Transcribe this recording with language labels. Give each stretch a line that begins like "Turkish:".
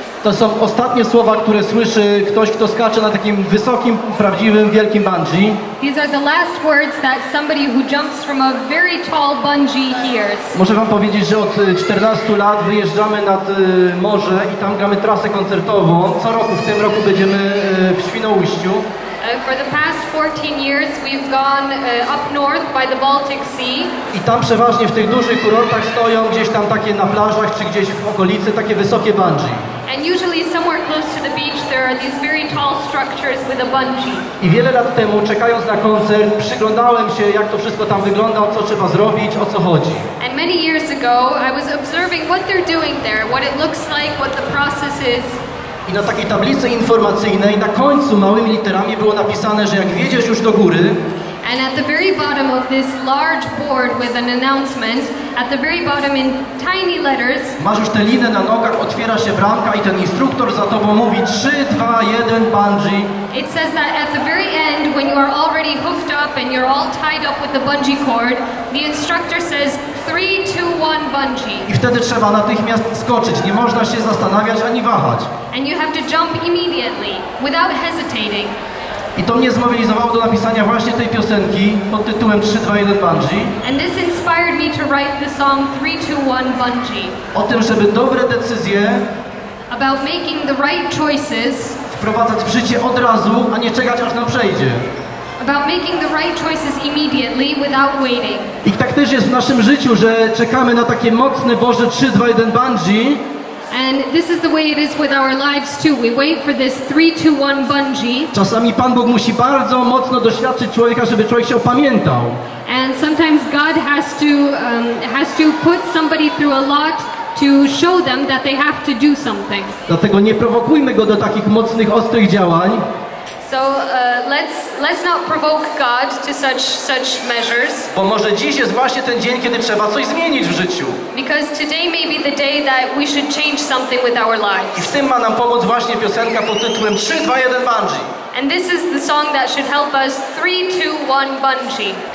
Polish: To są ostatnie słowa, które słyszy ktoś, kto skacze na takim wysokim, prawdziwym, wielkim bungee.
English: These are the last words that somebody who jumps from a very tall bungee hears.
Polish: Muszę wam powiedzieć, że od 14 lat wyjeżdżamy nad morze i tam gramy trasę koncertową. Co roku, w tym roku będziemy w Świnoujściu.
English: For the past 14 years we've gone up north by the Baltic Sea.
Polish: I tam przeważnie w tych dużych kurortach stoją gdzieś tam takie na plażach czy gdzieś w okolicy takie wysokie bungee.
English: And usually somewhere close to the beach there are these very tall structures with a bungee.
Polish: I wiele lat temu czekając na koncert przyglądałem się jak to wszystko tam wygląda, co trzeba zrobić, o co chodzi.
English: And many years ago I was observing what they're doing there, what it looks like, what the process is.
Polish: I na takiej tablicy informacyjnej na końcu małymi literami było napisane, że jak wjedziesz już do góry.
English: And at the very bottom of this large board with an announcement, at the very bottom in tiny letters.
Polish: Masz już tę linę na nogach, otwiera się bramka i ten instruktor za tobą mówi 3, 2, 1, bungee.
English: It says that at the very end, when you are already hoofed up and you're all tied up with the bungee cord, the instructor says 3, 2, 1, bungee.
Polish: I wtedy trzeba natychmiast skoczyć, nie można się zastanawiać ani wahać.
English: And you have to jump immediately, without hesitating.
Polish: I to mnie zmobilizowało do napisania właśnie tej piosenki pod tytułem 3, 2, 1, bungee.
English: And this inspired me to write the song 3, 2, 1, bungee.
Polish: O tym, żeby dobre decyzje
English: about making the right choices
Polish: wprowadzać w życie od razu, a nie czekać, aż nam przejdzie.
English: About making the right choices immediately without waiting.
Polish: I tak też jest w naszym życiu, że czekamy na takie mocne Boże 3, 2, 1, bungee.
English: And this is the way it is with our lives too. We wait for this 3-2-1 bungee.
Polish: Czasami Pan Bóg musi bardzo mocno doświadczyć człowieka, żeby człowiek się opamiętał.
English: And sometimes God has to put somebody through a lot to show them that they have to do something.
Polish: Dlatego nie prowokujmy go do takich mocnych, ostrych działań.
English: So let's not provoke God to such measures.
Polish: Bo może dziś jest właśnie ten dzień, kiedy trzeba coś zmienić w życiu.
English: Because today may be the day that we should change something with our lives.
Polish: I w tym ma nam pomóc właśnie piosenka pod tytułem 3, 2, 1, bungee.
English: And this is the song that should help us 3, 2, 1, bungee.